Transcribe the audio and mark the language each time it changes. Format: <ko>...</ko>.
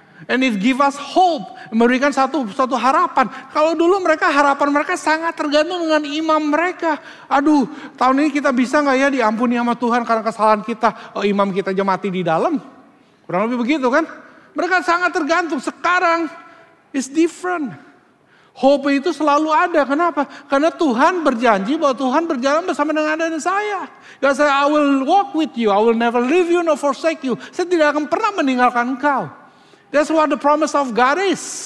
<en>And it give us hope,</en> <id>memberikan satu harapan. Kalau dulu mereka harapan mereka sangat tergantung dengan imam mereka. Aduh, tahun ini kita bisa nggak ya diampuni sama Tuhan karena kesalahan kita? Oh, imam kita aja mati di dalam. Kurang lebih begitu kan? Mereka sangat tergantung. Sekarang</id> <en>it's different.</en> <id>Hope itu selalu ada. Kenapa? Karena Tuhan berjanji bahwa Tuhan berjalan bersama dengan Anda dan saya.</id> <en>God said, I will walk with you. I will never leave you nor forsake you.</en> <id>Saya tidak akan pernah meninggalkan engkau.</id> <en>That's what the promise of God is.</en>